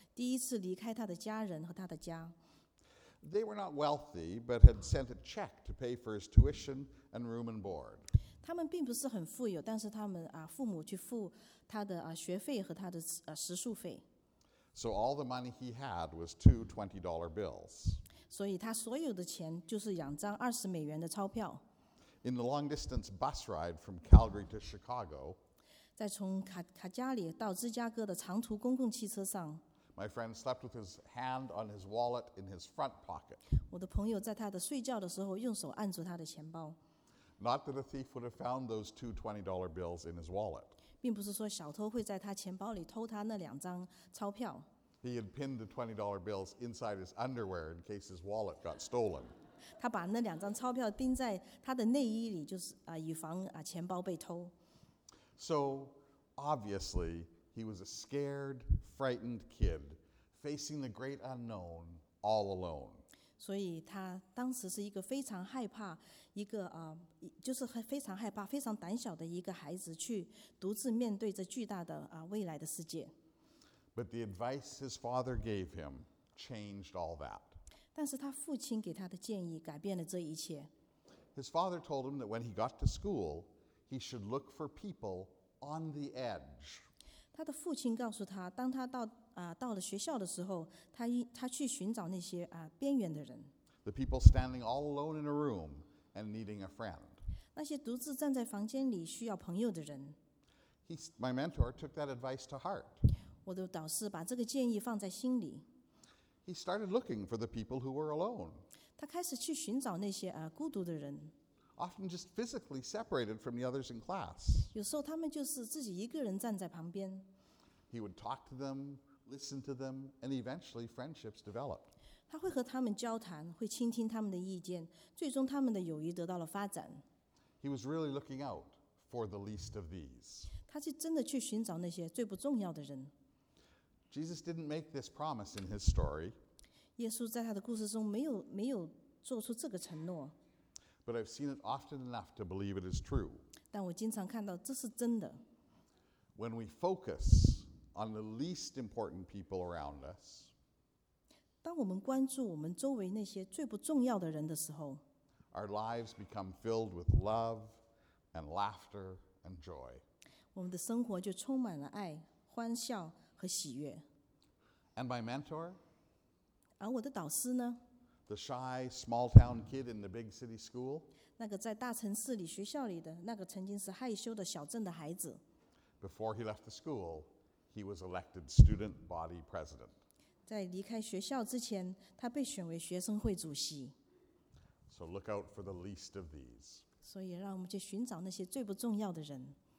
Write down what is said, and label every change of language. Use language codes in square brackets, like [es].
[zh] 第一次离开他的家人和他的家。 [en] They were not wealthy, but had sent a check to pay for his tuition and room and board. [zh] 他们并不是很富有，但是他们父母去付他的学费和他的食宿费。 [en] So all the money he had was two $20 bills. [zh] 所以他所有的钱就是两张20美元的钞票。 [en] In the long distance bus ride from Calgary to Chicago, [zh] 在从卡加里到芝加哥的长途公共汽车上。 [en] My friend slept with his hand on his wallet in his front pocket. [zh] 我的朋友在他的睡觉的时候用手按住他的钱包。 [en] Not that a thief would have found those two $20 bills in his wallet. [zh] 并不是说小偷会在他钱包里偷他那两张钞票。 [en] He had pinned the $20 bills inside his underwear in case his wallet got stolen. [zh] 他把那两张钞票钉在他的内衣里，就是以防钱包被偷。 [en] So, obviously, he was a scared, frightened kid facing the great unknown all alone. [zh] 所以他当时是一个非常害怕，一个就是非常害怕、非常胆小的一个孩子，去独自面对这巨大的未来的世界。 [en] But the advice his father gave him changed all that. [zh] 但是他父亲给他的建议改变了这一切。 [en] His father told him that when he got to school, he should look for people on the edge. [zh] 他的父亲告诉他，当他到了学校的时候，他去寻找那些边缘的人。 [en] The people standing all alone in a room and needing a friend. [zh] 那些独自站在房间里需要朋友的人。 [en] My mentor took that advice to heart. [zh] 我的导师把这个建议放在心里。 [en] He started looking for the people who were alone. [zh] 他开始去寻找那些孤独的人。 [en] Often just physically separated from the others in class. [zh] 有时候他们就是自己一个人站在旁边。 [en] He would talk to them, listen to them, and eventually friendships developed. [zh] 他会和他们交谈，会倾听他们的意见，最终他们的友谊得到了发展。 [en] He was really looking out for the least of these. [zh] 他是真的去寻找那些最不重要的人。 [en] Jesus didn't make this promise in his story. [zh] 耶稣在他的故事中没有做出这个承诺。 [en] But I've seen it often enough to believe it is true. [zh] 但我经常看到这是真的。 [en] When we focus on the least important people around us, [zh] 当我们关注我们周围那些最不重要的人的时候， [en] our lives become filled with love and laughter and joy. [zh] 我们的生活就充满了爱、欢笑和喜悦。 [en] And my mentor? [zh] 而我的导师呢？ [en] The shy, small-town kid in the big city school. [zh] 那个在大城市里学校里的那个曾经是害羞的小镇的孩子。 [en] Before he left the school, he was elected student body president. [zh] 在离开学校之前，他被选为学生会主席。 [en] So look out for the least of these. [zh] 所以让我们去寻找那些最不重要的人。